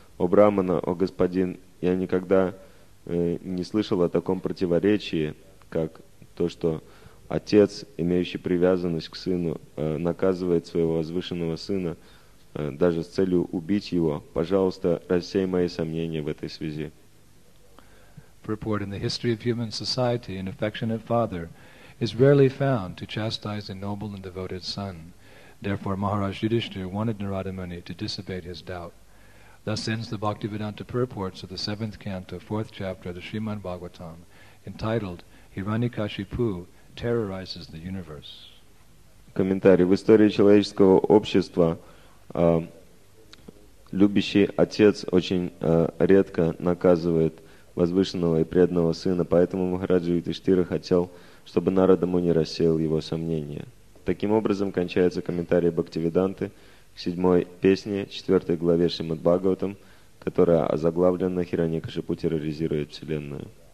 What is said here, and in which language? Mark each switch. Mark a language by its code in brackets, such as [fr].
[ru] О Брахмана, о господин, я никогда не слышал о таком противоречии, как то, что отец, имеющий привязанность к сыну, наказывает своего возвышенного сына даже с целью убить его. Пожалуйста, рассей мои сомнения в этой связи. [en] Purport in the history of human society, an affectionate father is rarely found to chastise a noble and devoted son. Therefore, Maharaj Yudhishthira wanted Narada Muni to dissipate his doubt. Thus ends the Bhaktivedanta purports of the 7th canto, 4th chapter of the Srimad Bhagavatam, entitled Hiranyakashipu Terrorizes the Universe. [ru] Комментарий. В истории человеческого общества любящий отец очень редко наказывает возвышенного и преданного сына, поэтому Махараджа Юдхиштхира хотел, чтобы Нарада Муни рассеял его сомнения. Таким образом, кончается комментарий Бхактивиданты к 7-й песне 4-й главе Шримад Бхагаватам, которая озаглавлена «Хиранякашипу терроризирует Вселенную».